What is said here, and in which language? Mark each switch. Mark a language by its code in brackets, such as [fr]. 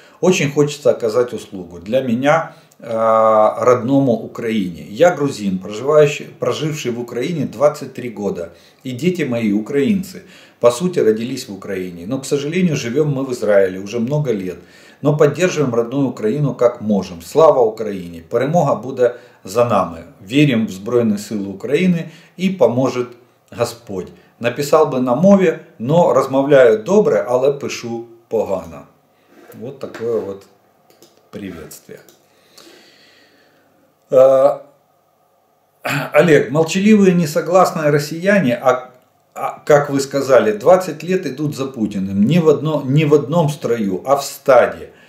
[ru] Очень хочется оказать услугу. Для меня... родному Украине. Я грузин, проживший в Украине 23 года. И дети мои украинцы. По сути, родились в Украине. Но, к сожалению, живем мы в Израиле уже много лет. Но поддерживаем родную Украину как можем. Слава Украине! [uk] Перемога буде за нами. Верим в Збройні Сили України і поможе Господь. Написав би на мові, но розмовляю добре, але пишу погано. [ru] Вот такое вот приветствие. Олег, молчаливые несогласные россияне, как вы сказали, 20 лет идут за Путиным, не в одном строю, а в стаде.